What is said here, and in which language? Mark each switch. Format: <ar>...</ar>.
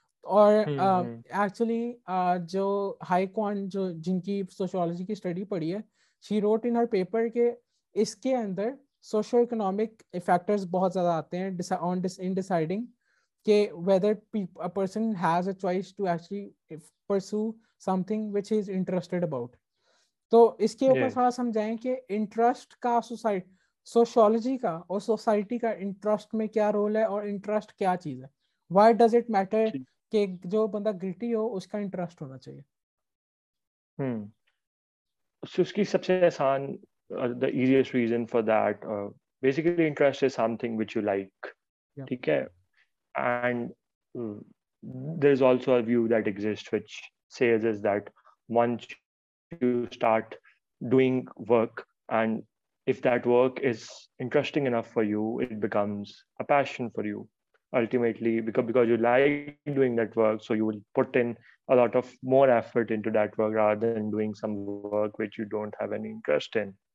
<en>और actually जो हाई क्वान</en> <hi>जो जिनकी sociology की study पढ़ी है,</hi> <en>she wrote in her paper</en> <hi>के इसके अंदर socio economic factors बहुत ज़्यादा आते हैं</hi> <en>in deciding के whether a person has a choice to actually pursue something which he is interested about.</en> <hi>तो इसके ऊपर थोड़ा समझाएं कि इंटरेस्ट का सोशियोलॉजी का और सोसाइटी का इंटरेस्ट में क्या रोल है और इंटरेस्ट क्या चीज है.</hi> <en>why does it matter</en> <hi>कि जो बंदा ग्रिटी हो उसका इंटरेस्ट होना चाहिए. उसकी सबसे आसान</hi> <en>The easiest reason for that basically interest is something which you like.</en> <hi>ठीक है?</hi> <en>And there is also a view that exist which says is that once you start doing work, and if that work is interesting enough for you, it becomes a passion for you ultimately, because you like doing that work, so you will put in a lot of more effort into that work rather than doing some work which you don't have any interest in.</en>